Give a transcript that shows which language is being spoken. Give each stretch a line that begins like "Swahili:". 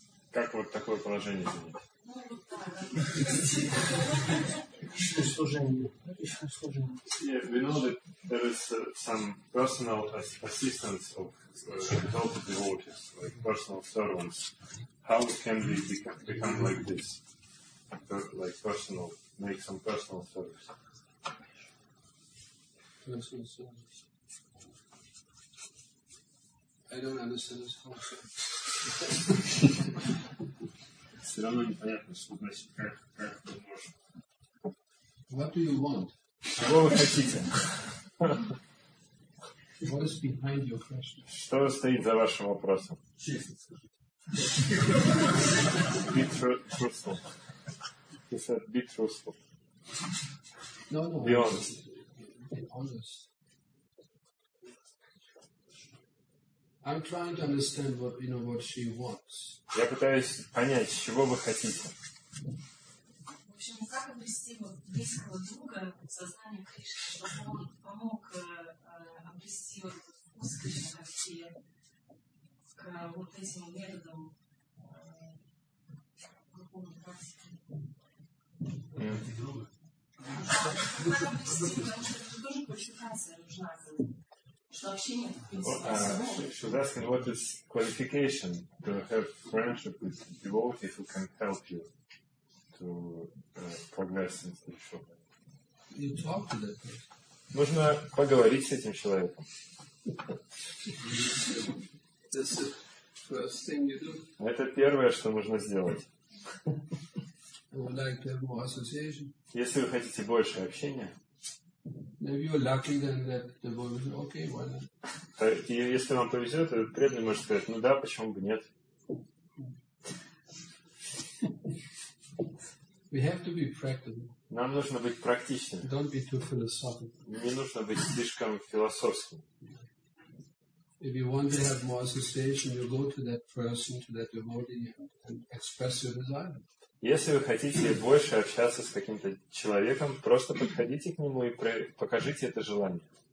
Russian: Как вот такое положение занять?
English: Yeah, we know that there is some personal assistance of devoted devotees, like personal servants. How can we become like this? Like personal, make some personal service. Personal service. I don't understand this concept.
Russian: Все равно непонятно, что значит как это можно.
English: What do you want?
Russian: Чего вы хотите?
English: What is behind your question?
Russian: Что стоит за вашим вопросом? Честно скажите.
English: Be truthful. He said, be truthful. No, no. Be honest. Be honest. I'm trying to understand what, you know, what she wants.
Russian: Я пытаюсь понять, чего вы хотите. В общем, как обрести вот близкого друга в сознании Кришны, чтобы он помог обрести вот этот вкус к вот этим методам духовной практики? Как обрести, потому что это же тоже квалификация нужна.
English: She's asking what is qualification to have friendship with devotees who can help you to progress in spiritual life. You talk to that person.
Russian: Нужно поговорить с этим человеком.
English: That's the first thing you do.
Russian: Это первое, что нужно сделать.
English: I would like to have more association.
Russian: Если вы хотите больше общения.
English: If you're lucky, then that the boy will say, okay, why not?
Russian: Если вам повезет, то преданный может сказать, ну да, почему бы нет.
English: We have to be practical.
Russian: Нам нужно быть практичным.
English: Don't be too philosophical.
Russian: Не нужно быть слишком философским.
English: If you want to have more association, you go to that person, to that devotee, and express your desire.
Russian: Если вы хотите больше общаться с каким-то человеком, просто подходите к нему и покажите это желание.